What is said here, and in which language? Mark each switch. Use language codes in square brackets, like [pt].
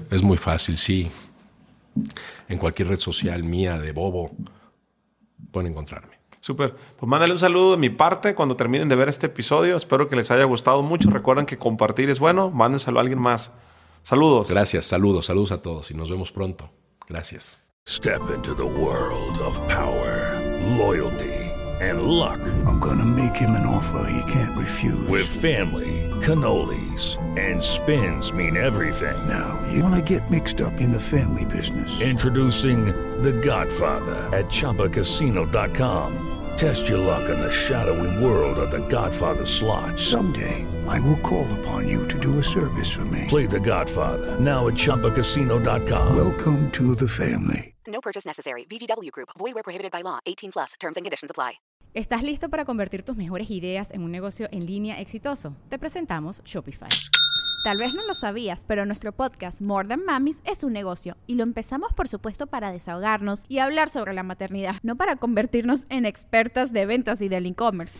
[es] Es muy fácil, sí. En cualquier red social mía de Bobo pueden encontrarme. Súper. Pues mándale un saludo de mi parte cuando terminen de ver este episodio. Espero que les haya gustado mucho. Recuerden que compartir es bueno. Mándenselo a alguien más. Saludos. Gracias. Saludos. Saludos a todos. Y nos vemos pronto. Gracias. [en] Step into the world of power, loyalty, and luck. I'm gonna make him an offer he can't refuse. With family, cannolis, and spins mean everything. Now, you wanna get mixed up in the family business. Introducing The Godfather at ChumbaCasino.com. Test your luck in the shadowy world of the Godfather slot. Someday, I will call upon you to do a service for me. Play the Godfather, now at ChumbaCasino.com. Welcome to the family. No purchase necessary. VGW Group. Void where prohibited by law. 18 plus. Terms and conditions apply. [es] ¿Estás listo para convertir tus mejores ideas en un negocio en línea exitoso? Te presentamos Shopify. Tal vez no lo sabías, pero nuestro podcast More Than Mamis es un negocio y lo empezamos, por supuesto, para desahogarnos y hablar sobre la maternidad, no para convertirnos en expertas de ventas y del e-commerce.